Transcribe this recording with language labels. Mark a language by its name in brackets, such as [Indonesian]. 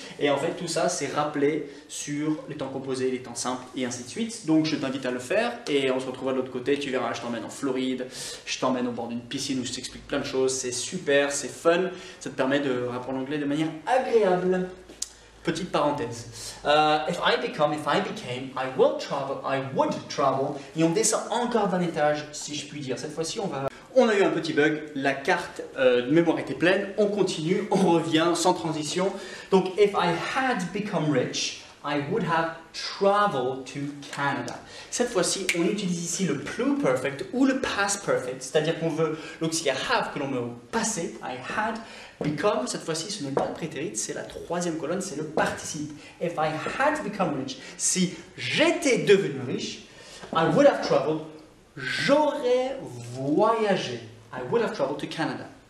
[French] Et en fait, tout ça, c'est rappelé sur les temps composés, les temps simples, et ainsi de suite. Donc, je t'invite à le faire et on se retrouve à l'autre côté. Tu verras, je t'emmène en Floride, je t'emmène au bord d'une piscine où je t'explique plein de choses. C'est super, c'est fun. Ça te permet de apprendre l'anglais de manière agréable. Petite parenthèse. [English] If I became, I would travel. [French] Et on descend encore d'un étage, si je puis dire. Cette fois-ci, on va... On a eu un petit bug, la carte de mémoire était pleine, on continue, on revient sans transition. [English] Donc, if I had become rich, I would have traveled to Canada. [French] Cette fois-ci, on utilise ici le pluperfect ou le past perfect, c'est-à-dire qu'on veut l'auxiliaire have que l'on met au passé, [English] I had become. [French] Cette fois-ci, ce n'est pas le prétérite, c'est la troisième colonne, c'est le participe. [English] If I had become rich, [French] si j'étais devenu riche, [English] I would have traveled. [French] J'aurais voyagé. [English] I would have traveled to Canada.